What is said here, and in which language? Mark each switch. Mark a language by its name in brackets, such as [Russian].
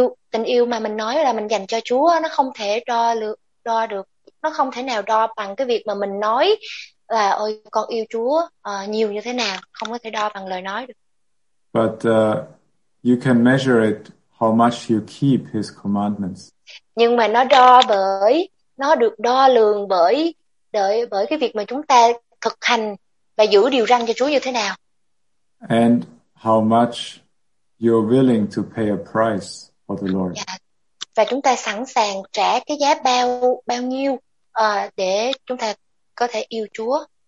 [Vietnamese] Tình yêu mà mình nói là mình dành cho Chúa nó không thể đo được. Nó không thể nào đo bằng cái việc mà mình nói là ôi con yêu Chúa nhiều như thế nào, không có thể đo bằng lời nói được. [English] But you can measure it how much you keep his commandments. [Vietnamese] Nhưng mà nó được đo lường bởi cái việc mà chúng ta thực hành và giữ điều răn cho Chúa như thế nào. [English] And how much you're willing to pay a price for the Lord. Yeah. [Vietnamese] Và chúng ta sẵn sàng trả cái giá bao nhiêu để chúng ta có thể yêu Chúa.